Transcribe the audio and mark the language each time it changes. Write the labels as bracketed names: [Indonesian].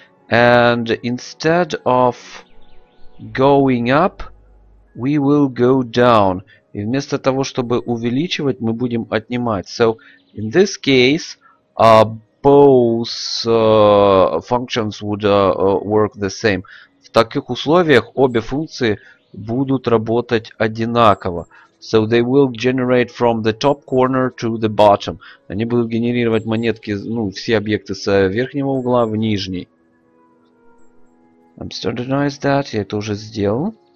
[English] And instead of going up, we will go down. [Russian] И вместо того, чтобы увеличивать, мы будем отнимать. [English] So in this case, both functions would work the same. [Russian] В таких условиях обе функции будут работать одинаково. [English] So they will generate from the top corner to the bottom. [Russian] Они будут генерировать монетки, ну, все объекты с верхнего угла в нижний. [English] I'm standardized that. [Russian] Я это уже сделал.